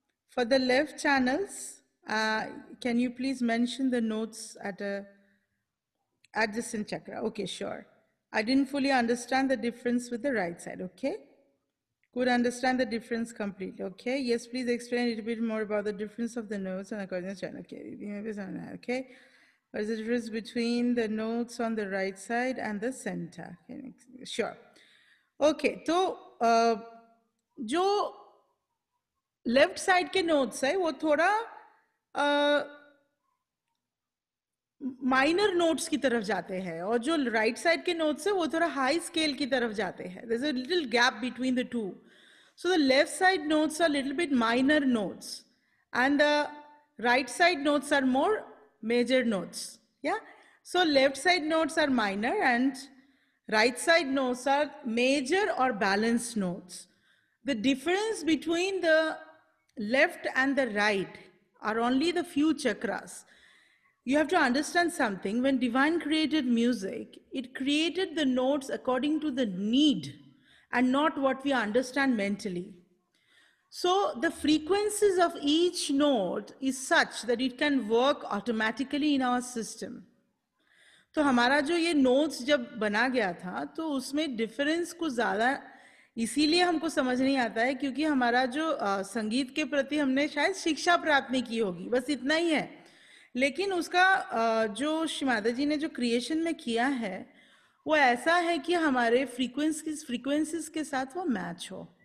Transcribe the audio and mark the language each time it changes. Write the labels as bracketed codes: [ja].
[en] For the left channels, can you please mention the notes at a adjacent chakra? Okay, sure. I didn't fully understand the difference with the right side. Okay, Could understand the difference completely. Okay. Yes, please explain a little bit more about the difference of the notes on accordion channel. Okay. What is the difference between the notes on the right side and the center? Sure. Okay. [hi] So, जो left side के notes है, वो थोड़ा minor notes की तरफ जाते हैं और जो राइट साइड के नोट्स है वो थोड़ा हाई स्केल की तरफ जाते हैं. [en] There is a little gap between the two. So the left side notes are little bit minor notes and the right side notes are more major notes. Yeah so left side notes are minor and right side notes are major और balanced notes. The difference between the left and the right are only the few chakras. You have to understand something. When divine created music, it created the notes according to the need and not what we understand mentally. So the frequencies of each note is such that it can work automatically in our system. [hi] तो हमारा जो ये notes जब बना गया था तो उसमें difference कुछ ज्यादा इसीलिए हमको समझ नहीं आता है क्योंकि हमारा जो संगीत के प्रति हमने शायद शिक्षा प्राप्त नहीं की होगी, बस इतना ही है. लेकिन उसका जो श्री माता जी ने जो क्रिएशन में किया है वो ऐसा है कि हमारे फ्रीक्वेंसीज के साथ वो मैच हो.